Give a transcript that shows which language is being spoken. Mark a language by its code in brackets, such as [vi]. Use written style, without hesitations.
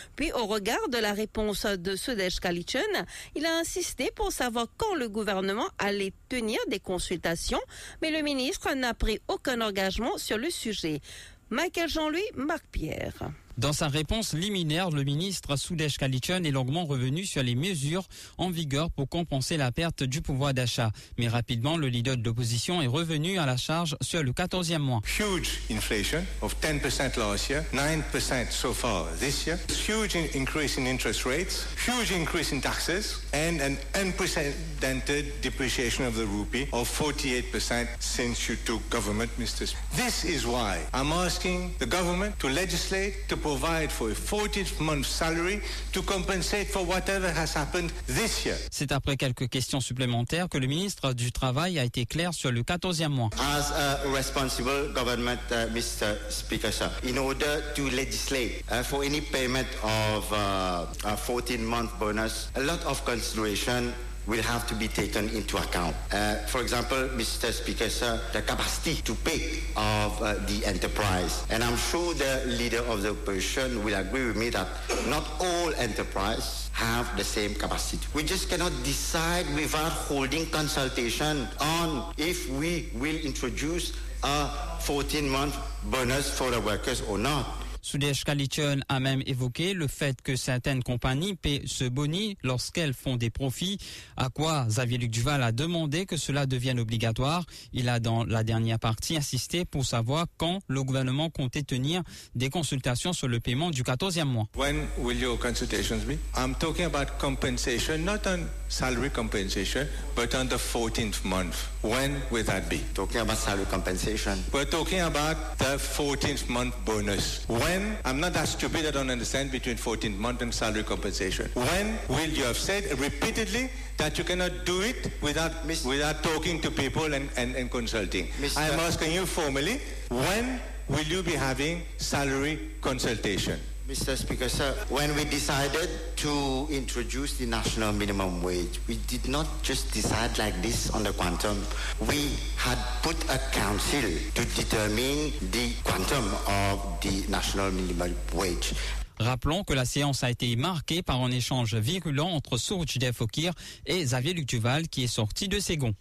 [fr] Puis, au regard de la réponse de Sudesh Kalichun, il a insisté pour savoir quand le gouvernement allait tenir des consultations, mais le ministre n'a pris aucun engagement sur le sujet. Michael Jean-Louis, Marc Pierre. Dans sa réponse liminaire, le ministre Sudesh Kalichun est longuement revenu sur les mesures en vigueur pour compenser la perte du pouvoir d'achat. Mais rapidement, le leader de l'opposition est revenu à la charge sur le 14e mois. [en] Huge inflation of 10% last year, 9% so far this year. Huge increase in interest rates, huge increase in taxes and an unprecedented depreciation of the rupee of 48% since you took government, Mr. Speaker. This is why I'm asking the government to legislate to provide for a 40-month salary to compensate for whatever has happened this year. [fr] C'est après quelques questions supplémentaires que le ministre du Travail a été clair sur le 14e mois. [en] As a responsible government, Mr. Speaker, sir, in order to legislate for any payment of a 14-month bonus, a lot of consideration will have to be taken into account. For example, Mr. Speaker, sir, the capacity to pay of the enterprise. And I'm sure the leader of the opposition will agree with me that not all enterprises have the same capacity. We just cannot decide without holding consultation on if we will introduce a 14-month bonus for the workers or not. [fr] Sudesh Kalichun a même évoqué le fait que certaines compagnies paient ce boni lorsqu'elles font des profits, à quoi David-Luc Duval a demandé que cela devienne obligatoire. Il a dans la dernière partie insisté pour savoir quand le gouvernement comptait tenir des consultations sur le paiement du 14e mois. [en] When will your consultations be? I'm talking about compensation, not on salary compensation, but on the 14th month. When will that be? Talking about salary compensation. We're talking about the 14th month bonus. When? I'm not that stupid, I don't understand between 14th month and salary compensation. When will you have said repeatedly that you cannot do it without talking to people and consulting? I'm asking you formally, when will you be having salary consultation? Mr. Speaker, sir, when we decided to introduce the national minimum wage, we did not just decide like this on the quantum. We had put a council to determine the quantum of the national minimum wage. [fr] Rappelons que la séance a été marquée par un échange virulent entre Sourjde Fokir et Xavier Luctuval qui est sorti de ses gonds.